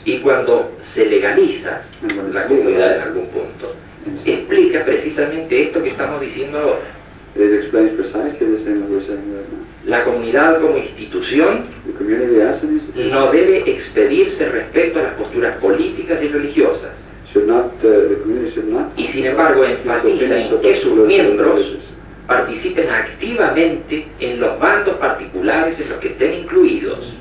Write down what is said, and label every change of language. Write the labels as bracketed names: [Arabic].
[Spanish] Y cuando se legaliza la comunidad en algún punto, explica precisamente esto que estamos diciendo ahora. [English] It explains precisely the same that we're saying right now. [Spanish] La comunidad como institución, [English] the community as an institution, [Spanish] no debe expedirse respecto a las posturas políticas y religiosas. [English] Should not, the community should not, [Spanish] y sin embargo enfatiza en que sus miembros participen activamente en los bandos particulares en los que estén incluidos.